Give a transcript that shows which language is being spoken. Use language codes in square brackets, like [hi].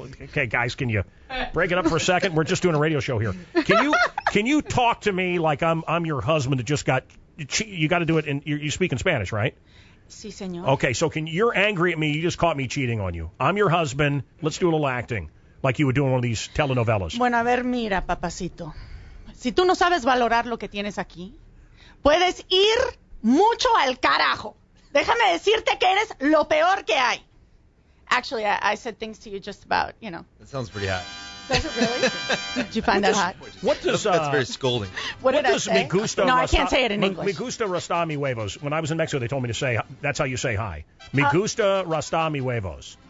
[en] Okay, guys, can you break it up for a second? We're just doing a radio show here. Can you talk to me like I'm your husband that just got... You got to do it, and you speak in Spanish, right? [es] Sí, señor. [en] Okay, so you're angry at me. You just caught me cheating on you. I'm your husband. Let's do a little acting, like you would do in one of these telenovelas. [es] Bueno, a ver, mira, papacito. Si tú no sabes valorar lo que tienes aquí, puedes ir mucho al carajo. Déjame decirte que eres lo peor que hay. [en] Actually, I said things to you just about, you know. That sounds pretty hot. Does it really? Did you find that hot? That's very scolding. What does me gusta? No, I can't say it in English. [es] Me gusta rasta mi huevos. [en] When I was in Mexico, they told me to say, that's how you say hi. [es] Me gusta rasta mi huevos.